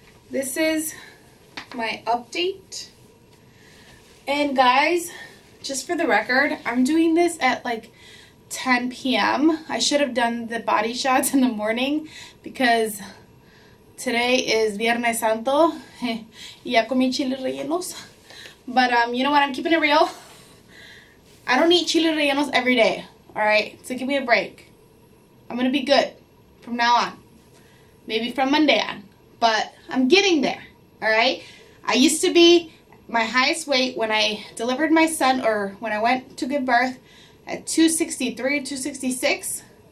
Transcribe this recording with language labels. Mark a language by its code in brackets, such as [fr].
[en] This is my update. And guys, just for the record, I'm doing this at like 10 p.m. I should have done the body shots in the morning because today is Viernes Santo. [es] Ya comí chiles rellenos. [en] But you know what? I'm keeping it real. I don't eat chiles rellenos every day, all right? So give me a break. I'm going to be good from now on. Maybe from Monday on. But I'm getting there, all right? I used to be my highest weight when I delivered my son or when I went to give birth at 263, 266.